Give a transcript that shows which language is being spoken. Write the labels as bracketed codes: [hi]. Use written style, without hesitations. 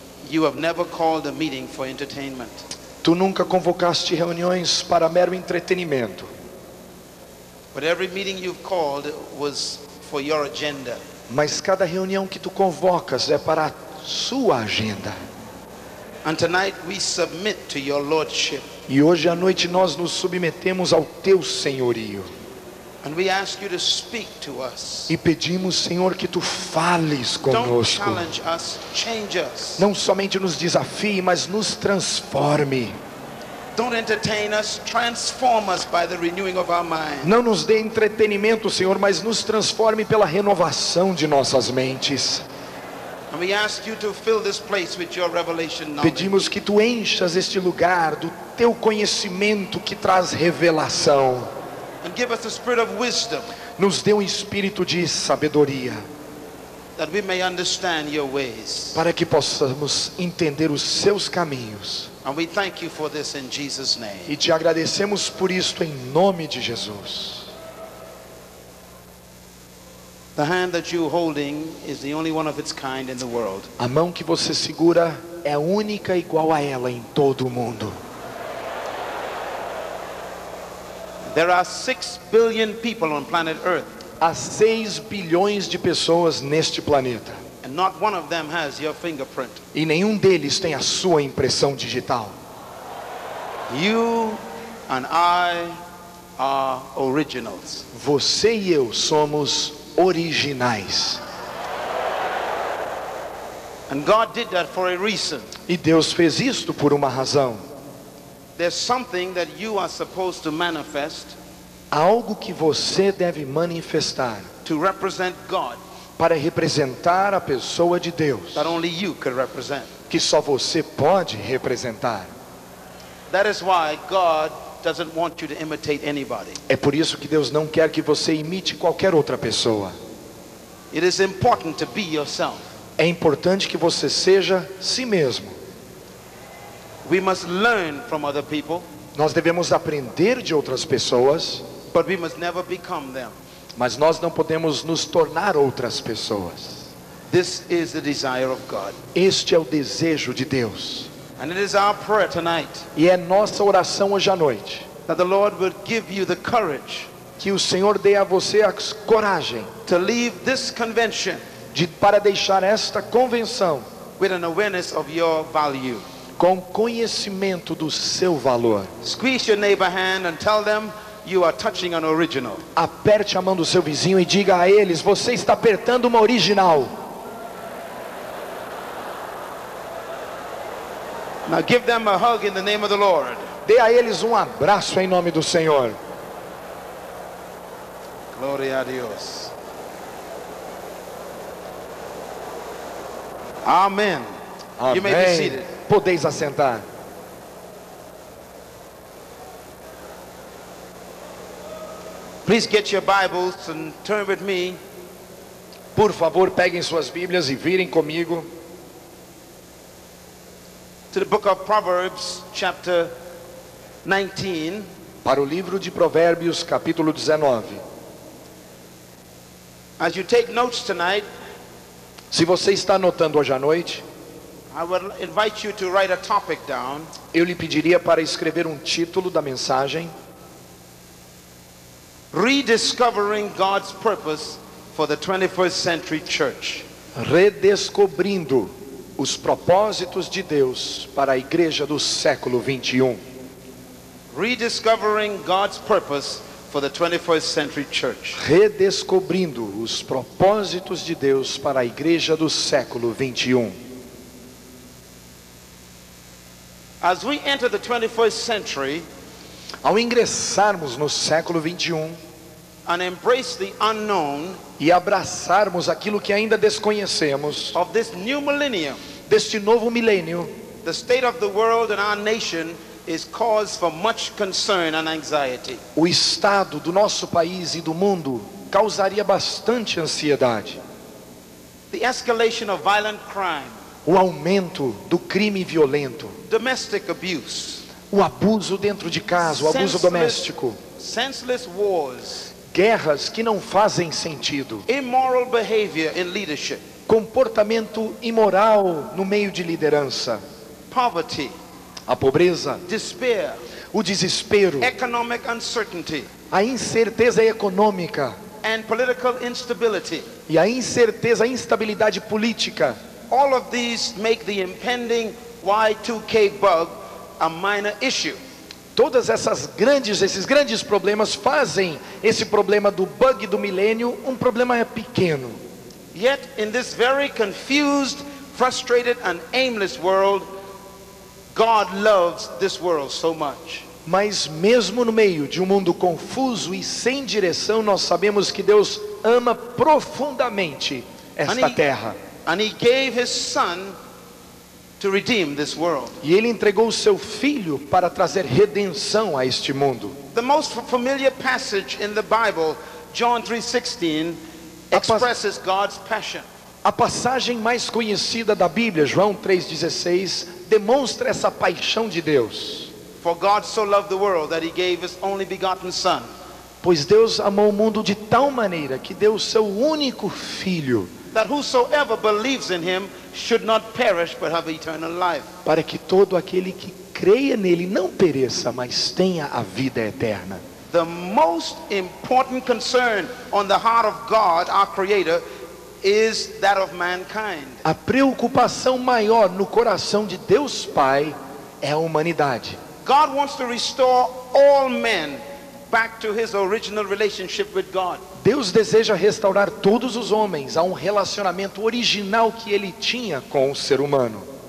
[en] you have never called a meeting for entertainment. [pt] Tu nunca convocaste reuniões para mero entretenimento. [en] But every meeting you've called was for your agenda. [pt] Mas cada reunião que tu convocas é para a sua agenda. [en] And tonight we submit to your lordship. [pt] E hoje à noite nós nos submetemos ao teu senhorio. [en] And we ask you to speak to us. [pt] E pedimos, Senhor, que tu fales conosco. [en] Don't challenge us, change us. [pt] Não somente nos desafie, mas nos transforme. [en] Don't entertain us, transform us by the renewing of our mind. [pt] Não nos dê entretenimento, Senhor, mas nos transforme pela renovação de nossas mentes. [en] And we ask you to fill this place with your revelation knowledge. [pt] Pedimos que tu enchas este lugar do teu conhecimento que traz revelação. [en] And give us the spirit of wisdom. [pt] Nos dê um espírito de sabedoria. [en] That we may understand your ways. [pt] Para que possamos entender os seus caminhos. [en] And we thank you for this in Jesus' name. [pt] E te agradecemos por isto em nome de Jesus. [en] The hand that you're holding is the only one of its kind in the world. [pt] A mão que você segura é única igual a ela em todo o mundo. [en] There are 6 billion people on planet Earth. [pt] Há 6 bilhões de pessoas neste planeta. [en] And not one of them has your fingerprint. [pt] E nenhum deles tem a sua impressão digital. [en] You and I are originals. [pt] Você e eu somos originais. [en] And God did that for a reason. [pt] E Deus fez isto por uma razão. [en] There's something that you are supposed to manifest. [pt] Algo que você deve manifestar [en] to represent God, [pt] para representar a pessoa de Deus, [en] that only you can represent. [pt] Que só você pode representar. [en] That is why God doesn't want you to imitate anybody. [pt] É por isso que Deus não quer que você imite qualquer outra pessoa. [en] It is important to be yourself. [pt] É importante que você seja si mesmo. [en] We must learn from other people. [pt] Nós devemos aprender de outras pessoas, [en] but we must never become them. [pt] Mas nós não podemos nos tornar outras pessoas. [en] This is the desire of God. [pt] Este é o desejo de Deus. [en] And it is our prayer tonight. [pt] E é nossa oração hoje à noite. [en] That the Lord will give you the courage. [pt] Que o Senhor dê a você a coragem. [en] To leave this convention. [pt] Para deixar esta convenção. [en] With an awareness of your value. [pt] Com conhecimento do seu valor. [en] Squeeze your neighbor hand and tell them you are touching an original. [pt] Aperte a mão do seu vizinho e diga a eles: você está apertando uma original. [en] Now give them a hug in the name of the Lord. [pt] Dê a eles um abraço em nome do Senhor. Glória a Deus. [en] Amen. [pt] Amém. [en] You may be seated. [pt] Podeis assentar. [en] Please get your Bibles and turn with me. [pt] Por favor, peguem suas Bíblias e virem comigo. [en] To the book of Proverbs, chapter 19. [pt] Para o livro de Provérbios, capítulo 19. [en] As you take notes tonight, [pt] se você está anotando hoje à noite, [en] I would invite you to write a topic down. [pt] Eu lhe pediria para escrever um título da mensagem: [en] Rediscovering God's Purpose for the 21st Century Church. [pt] Redescobrindo os propósitos de Deus para a igreja do século 21. [en] Rediscovering God's Purpose for the 21st Century Church. [pt] Redescobrindo os propósitos de Deus para a igreja do século 21. [en] As we enter the 21st century, [pt] ao ingressarmos no século 21, [en] and embrace the unknown, [pt] e abraçarmos aquilo que ainda desconhecemos, [en] of this new millennium, [pt] deste novo milênio, [en] the state of the world and our nation is cause for much concern and anxiety. [pt] O estado do nosso país e do mundo causaria bastante ansiedade. [en] The escalation of violent crime. [pt] O aumento do crime violento. [en] Domestic abuse. [pt] O abuso dentro de casa, senseless, o abuso doméstico. [en] Senseless wars. [pt] Guerras que não fazem sentido. [en] Immoral behavior in leadership. [pt] Comportamento imoral no meio de liderança. [en] Poverty. [pt] A pobreza, [en] despair, [pt] o desespero, [en] economic uncertainty, [pt] a incerteza econômica, [en] and political instability, [pt] e a incerteza, a instabilidade política. [en] All of these make the impending Y2K bug a minor issue. [pt] Todas essas grandes, esses grandes problemas fazem esse problema do bug do milênio um problema pequeno. [en] Yet in this very confused, frustrated and aimless world, God loves this world so much. [pt] Mas mesmo no meio de um mundo confuso e sem direção, nós sabemos que Deus ama profundamente esta terra. [en] And he gave his son to redeem this world. [pt] E ele entregou o seu filho para trazer redenção a este mundo. [en] The most familiar passage in the Bible, John 3:16, expresses God's passion. [pt] A passagem mais conhecida da Bíblia, João 3:16, demonstra essa paixão de Deus. [en] For God so loved the world that he gave his only begotten son. [pt] Pois Deus amou o mundo de tal maneira que deu o seu único filho. [en] That whosoever believes in him should not perish but have eternal life. [pt] Para que todo aquele que creia nele não pereça, mas tenha a vida eterna. [en] The most important concern on the heart of God, our creator, is that of mankind. [pt] A preocupação maior no coração de Deus Pai é a humanidade. [en] God wants to restore all men back to his original relationship with God. [pt] Deus deseja restaurar todos os homens a um relacionamento original que ele tinha com o ser humano.